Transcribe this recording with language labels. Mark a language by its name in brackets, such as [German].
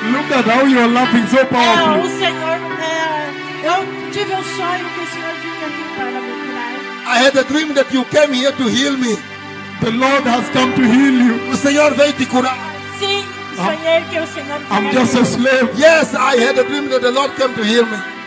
[English] Look at how you are laughing so powerfully. [Portuguese] O Senhor, eu tive sonho que o Senhor vinha aqui para me curar. [English] I had a dream that you came here to heal me. The Lord has come to heal you. [Portuguese] O Senhor veio te curar. [English] I'm just a slave. Yes, I had a dream that the Lord came to heal me.